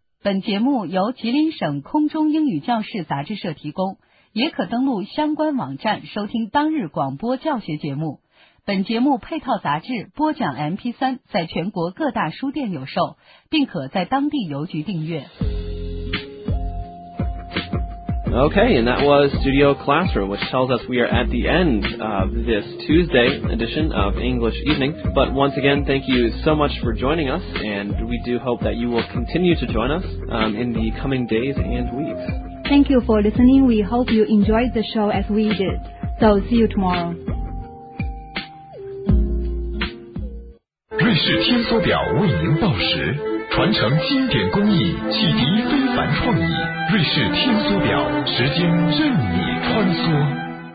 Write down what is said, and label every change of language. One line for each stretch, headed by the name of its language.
Chinese: 本节目由吉林省空中英语教室杂志社提供，也可登录相关网站收听当日广播教学节目。本节目配套杂志播讲 MP3 在全国各大书店有售，并可在当地邮局订阅。
English: Okay, and that was Studio Classroom, which tells us we are at the end of this Tuesday edition of English Evening. But once again, thank you so much for joining us, and we do hope that you will continue to join us in the coming days and weeks. Thank you for listening. We hope you enjoyed the show as we did. So, see you tomorrow.
Chinese: 氏天梭表为您报时，传承经典工艺，启迪非凡创意。瑞士天梭表，时间任你穿梭。